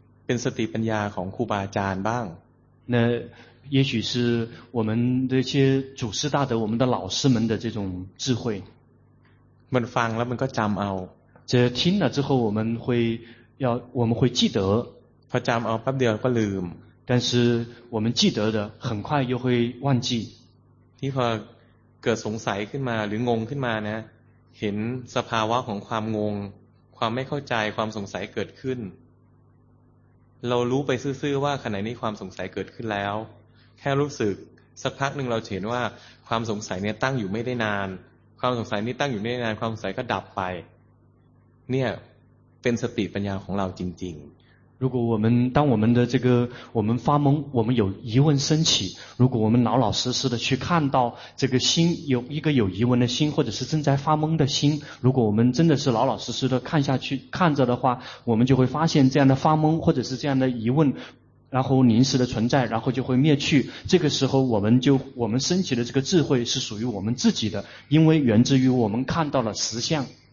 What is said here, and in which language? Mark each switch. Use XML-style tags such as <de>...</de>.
<th>เป็นสติปัญญาของครูบาอาจารย์บ้าง</th> <zh>那也许是我们的一些祖师大德我们的老师们的这种智慧</zh> <th>มันฟังแล้วมันก็จำเอา</th> <zh>这听了之后我们会记得</zh> <th>พอจำเอาแป๊บเดียวก็ลืม</th> <zh>但是我们记得的很快又会忘记</zh> <th>ที่พอเกิดสงสัยขึ้นมาหรืองงขึ้นมานะเห็นสภาวะของความงงความไม่เข้าใจความสงสัยเกิดขึ้นเรารู้ไปซื่อๆว่าขณะนี้ความสงสัยเกิดขึ้นแล้วแค่รู้สึกสักพักนึงเราเห็นว่าความสงสัยเนี่ยตั้งอยู่ไม่ได้นานความสงสัยนี้ตั้งอยู่ไม่ได้นานความสงสัยก็ดับไปเนี่ยเป็นสติปัญญาของเราจริงๆ</th> <zh>如果我们当我们的这个我们发懵我们有疑问升起如果我们老老实实的去看到这个心有一个有疑问的心或者是正在发懵的心如果我们真的是老老实实的看下去看着的话我们就会发现这样的发懵或者是这样的疑问然后临时的存在然后就会灭去这个时候我们升起的这个智慧是属于我们自己的因为源自于我们看到了实相</zh>